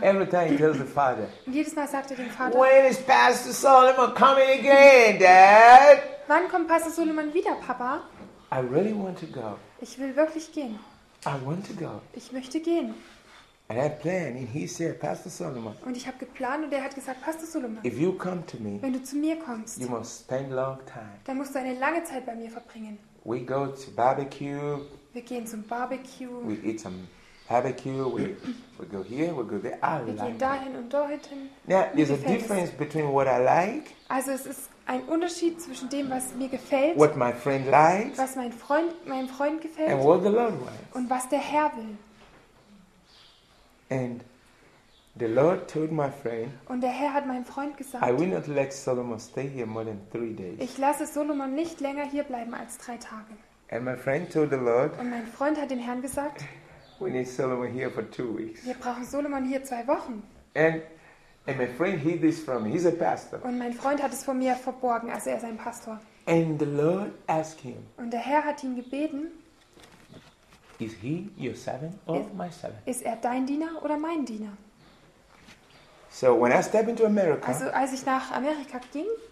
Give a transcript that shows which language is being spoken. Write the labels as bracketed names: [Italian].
[English] Every time he tells the father. [German] Und jedes Mal sagt er dem Vater. [English] When is Pastor Solomon coming again, Dad? [German] Wann kommt Pastor Solomon wieder, Papa? [English] I really want to go. [German] Ich will wirklich gehen. [English] I want to go. [German] Ich möchte gehen. [English] And I had planned, and he said, Pastor Solomon. [German] Und ich habe geplant, und er hat gesagt, Pastor Solomon. [English] If you come to me, [German] wenn du zu mir kommst, [English] you must spend long time. [German] Dann musst du eine lange Zeit bei mir verbringen. [English] We go to barbecue. [German] Wir gehen zum Barbecue. [English] We eat some barbecue. We go here. We go there. I [German] wir [English] like. [German] Wir gehen dahin und dorthin. [English] Now, there's a difference between what I like. [German] Also es ist ein Unterschied zwischen dem, was mir gefällt, [English] what my friend likes, [German] was meinem Freund gefällt, [English] and what the Lord wants. [German] Und was der Herr will. [English] And the Lord told my friend, [German] und der Herr hat meinem Freund gesagt, [English] I will not let Solomon stay here more than 3 days. [German] Ich lasse Solomon nicht länger hier bleiben als 3 Tage. [English] And my friend told the Lord, [German] und mein Freund hat dem Herrn gesagt, [English] we need Solomon here for 2 weeks. [German] Wir brauchen Solomon hier 2 Wochen. [English] And my friend hid this from me. He's a pastor. [German] Und mein Freund hat es vor mir verborgen, also er ist ein Pastor. [English] And the Lord asked him. [German] Und der Herr hat ihn gebeten. [English] Is he your servant or my servant? [German] Ist er dein Diener oder mein Diener? [English] So when I stepped into America. [German] Also als ich nach Amerika ging.